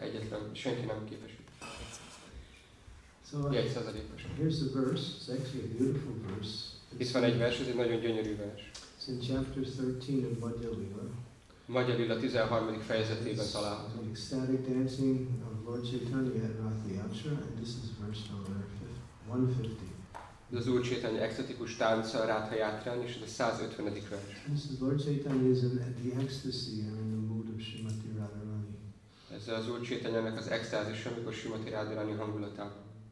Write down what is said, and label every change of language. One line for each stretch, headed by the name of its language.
Hungarian: Egyetlen, senki nem képes.
English: So, here's the verse. It's actually a beautiful verse.
Hungarian: Itt van egy vers, ez egy nagyon gyönyörű vers.
English: It's in chapter 13 of Madhyalila.
Hungarian: Madhyalila 13. fejezetében található.
English: It's ecstatic dancing of Lord Chaitanya at Rathyatra, and this is verse number 150.
Hungarian: Ez az Úr Chaitanya ecstatikus tánca Rathyatrán, és ez a 150. vers.
English: This is Lord Chaitanya is at the ecstasy and in the mood of Srimati Radharani.
Hungarian: Ez az Úr Chaitanyának az extázis, amikor Srimati Radharani hangulatában.